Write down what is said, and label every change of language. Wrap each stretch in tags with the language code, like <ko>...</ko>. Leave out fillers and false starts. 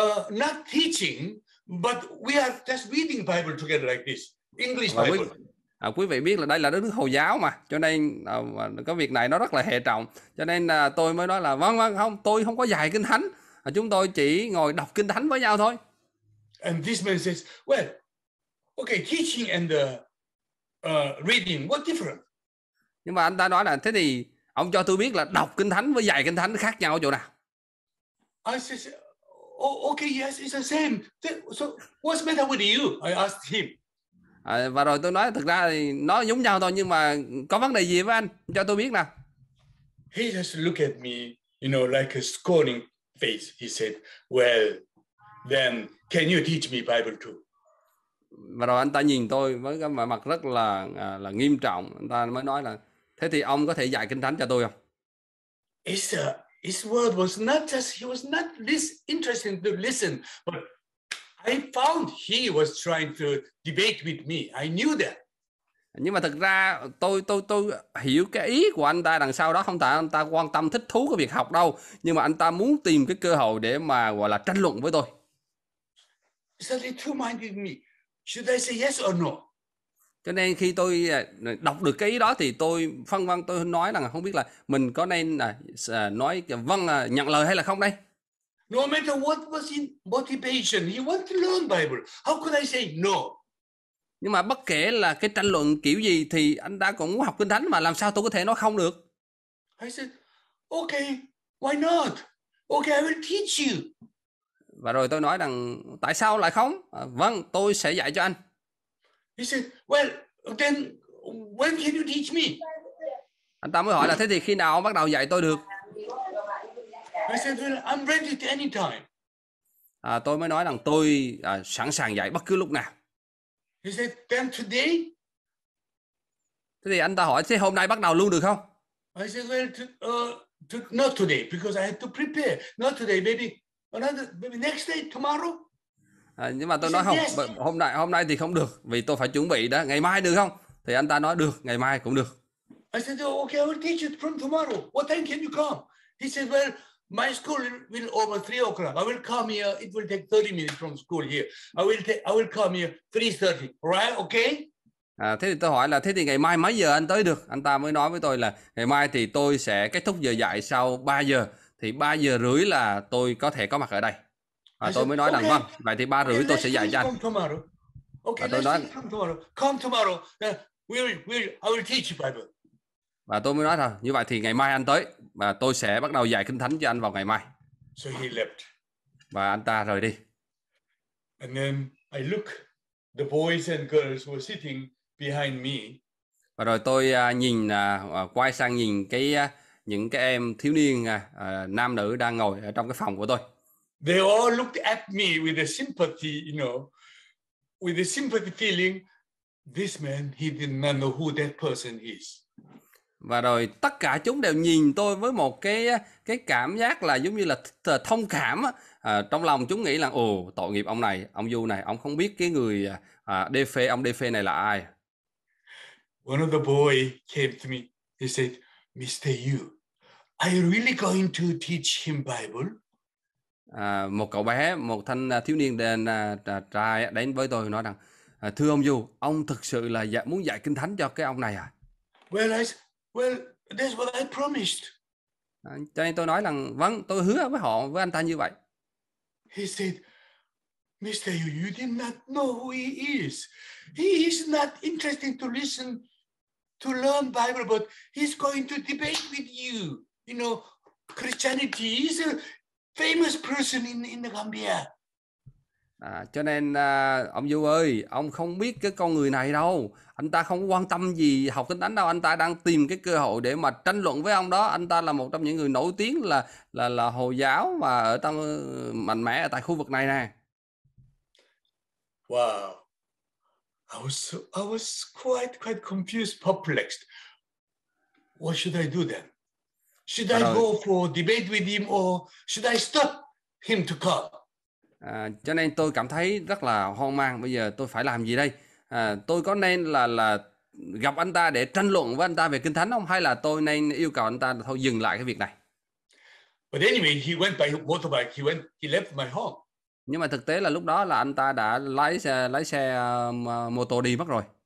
<en>Not teaching, but we are just reading Bible together like this. English Bible.</en> <vi>Quý vị biết là đây là đất nước Hồi giáo mà, cho nên có việc này nó rất là hệ trọng. Cho nên tôi mới nói là vâng, không, tôi không có dạy kinh thánh. Chúng tôi chỉ ngồi đọc kinh thánh với nhau thôi.</vi> <en>And this man says, well, okay, teaching and reading, what different?</en> <vi>Nhưng mà anh ta nói là thế thì ông cho tôi biết là đọc kinh thánh với dạy kinh thánh khác nhau chỗ nào?</vi> <en>I said, oh, okay, yes, it's the same. So what's better with you? I asked him.</en> <vi>Và rồi tôi nói thực ra thì nó giống nhau thôi, nhưng mà có vấn đề gì với anh cho tôi biết nào.</vi> <en>He just looked at me, you know, like a scorning face. He said, well, then can you teach me Bible too?</en> <vi>Và rồi anh ta nhìn tôi với cái mặt rất là nghiêm trọng. Anh ta mới nói là thế thì ông có thể dạy kinh thánh cho tôi không?</vi> <en>His word was not just, he was not this interesting to listen, but I found he was trying to debate with me. I knew that.</en> <vi>Nhưng mà thực ra tôi hiểu cái ý của anh ta đằng sau đó, không phải anh ta quan tâm thích thú cái việc học đâu, nhưng mà anh ta muốn tìm cái cơ hội để mà gọi là tranh luận với tôi.</vi> <en>Suddenly two-minded me. Should I say yes or no?</en> <vi>Cho nên khi tôi đọc được cái ý đó thì tôi phân vân, tôi nói rằng không biết là mình có nên nói vâng nhận lời hay là không đây.</vi> <en>No matter what was in motivation, he wanted to learn Bible. How could I say no?</en> <vi>Nhưng mà bất kể là cái tranh luận kiểu gì thì anh ta cũng muốn học kinh thánh mà, làm sao tôi có thể nói không được?</vi> <en>I said, okay, why not? Okay, I will teach you.</en> <vi>Và rồi tôi nói rằng tại sao lại không? Vâng, tôi sẽ dạy cho anh.</vi> <en>He said, well, then when can you teach me?</en> <vi>Anh ta mới hỏi là thế thì khi nào bắt đầu dạy tôi được?</vi> <en>I said, well, I'm ready at any time.</en> <vi>Tôi mới nói rằng tôi sẵn sàng dạy bất cứ lúc nào.</vi> <en>He said, then today?</en> <vi>Thế thì anh ta hỏi thế hôm nay bắt đầu luôn được không?</vi> <en>I said, well, not today because I had to prepare. Not today, maybe another, maybe next day, tomorrow.</en> <vi>Nhưng mà tôi nói không, hôm nay thì không được vì tôi phải chuẩn bị đó. Ngày mai được không? Thì anh ta nói được, ngày mai cũng được.</vi> <en>I said, okay, I will teach it from tomorrow. What time can you come? He said, well, my school will over 3 o'clock. I will come here. It will take 30 minutes from school here. I will come here 3:30. Right? Okay?</en> <vi>Thế thì tôi hỏi là thế thì ngày mai mấy giờ anh tới được? Anh ta mới nói với tôi là ngày mai thì tôi sẽ kết thúc giờ dạy sau 3 giờ. Thì 3 giờ rưỡi là tôi có thể có mặt ở đây. Và tôi mới nói rằng vâng, vậy thì 3 rưỡi tôi sẽ dạy cho anh.</vi> <en>Okay, let's come tomorrow. Come tomorrow. I will teach you Bible.</en> <vi>Và tôi mới nói rằng như vậy thì ngày mai anh tới và tôi sẽ bắt đầu dạy Kinh Thánh cho anh vào ngày mai.</vi> <en>So he left.</en> <vi>Và anh ta rời đi.</vi> <en>And then I look the boys and girls were sitting behind me.</en> <vi>Và rồi tôi nhìn quay sang nhìn cái những cái em thiếu niên nam nữ đang ngồi ở trong cái phòng của tôi.</vi> <en>They all looked at me with a sympathy, you know, with a sympathy feeling. This man, he did not know who that person is.</en> <vi>Và rồi tất cả chúng đều nhìn tôi với một cái cảm giác là giống như là thông cảm trong lòng chúng nghĩ là ồ tội nghiệp ông này, ông Du này, ông không biết cái người DP này là ai.</vi> <en>One of the boy came to me. He said, Mr. Yu, are you really going to teach him Bible?</en> <vi>Một cậu bé, một thanh thiếu niên trai đến với tôi nói rằng, thưa ông Du, ông thực sự là muốn dạy Kinh Thánh cho cái ông này à?</vi> <en>Well, that's what I promised.</en> <vi>Cho nên tôi nói rằng, vâng, tôi hứa với họ, với anh ta như vậy.</vi> <en>He said, Mr. Yu, you did not know who he is. He is not interesting to listen to learn Bible, but he's going to debate with you. You know, Christianity is a famous person in the Gambia.</en> <vi>Cho nên ông Du ơi, ông không biết cái con người này đâu. Anh ta không quan tâm gì học Kinh Thánh đâu. Anh ta đang tìm cái cơ hội để mà tranh luận với ông đó. Anh ta là một trong những người nổi tiếng là Hồi giáo mà ở trong mạnh mẽ ở tại khu vực này nè.</vi> <en>Wow. I was quite confused, perplexed. What should I do then? Should I go for debate with him or should I stop him to come?</en> <vi>Cho nên tôi cảm thấy rất là hoang mang. Bây giờ tôi phải làm gì đây? Tôi có nên là gặp anh ta để tranh luận với anh ta về Kinh Thánh không? Hay là tôi nên yêu cầu anh ta thôi dừng lại cái việc này?</vi> <en>But anyway, he went by motorbike. He left my home.</en> <vi>Nhưng mà thực tế là lúc đó là anh ta đã lái xe mô tô đi mất rồi.</vi>